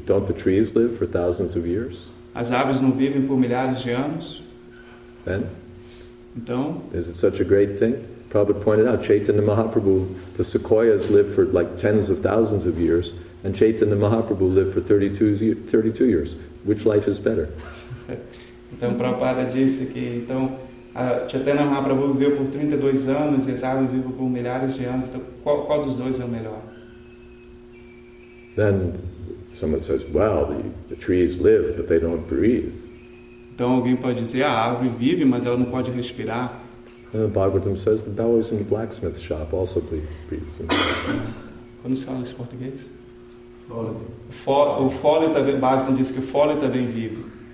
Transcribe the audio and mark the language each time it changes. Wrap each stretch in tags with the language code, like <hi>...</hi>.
<en>Don't the trees live for thousands of years?</en> <pt>As árvores não vivem por milhares de anos?</pt> <en>Then?</en> <pt>Então?</pt> <en>Is it such a great thing? Prabhupada pointed out, Chaitanya Mahaprabhu, the Sequoias lived for like tens of thousands of years, and Chaitanya Mahaprabhu lived for 32 years. Which life is better?</en> <pt>Então, Prabhupada disse que então Chaitanya Mahaprabhu viveu por 32 anos e Sarva viveu por milhares de anos. Então, qual dos dois é o melhor?</pt> <en>Then someone says, well, the trees live, but they don't breathe.</en> <pt>Então, alguém pode dizer, a árvore vive, mas ela não pode respirar.</pt> <en>And Bhagavatam says the bellows in the blacksmith shop also breathes.</en> <pt>Como se fala isso em português? O fole também, Bhagavatam diz que o fole também vive.</pt>